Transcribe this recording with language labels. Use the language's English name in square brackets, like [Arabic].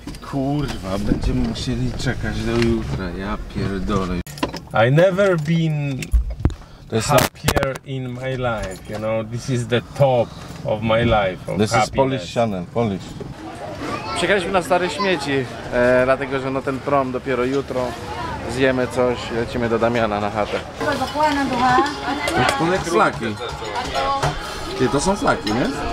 [Polish] Kurwa, będziemy musieli czekać do jutra. Ja pierdolę. [English] I never been... This happier in my life, you know, this is the top of my life, of this happiness. Is Polish Channel, Polish. [Polish] Przyjechaliśmy na stare śmieci, dlatego, że no ten prom dopiero jutro, zjemy coś, lecimy do Damiana na chatę. To jest flaki. Ty, to są flaki, nie?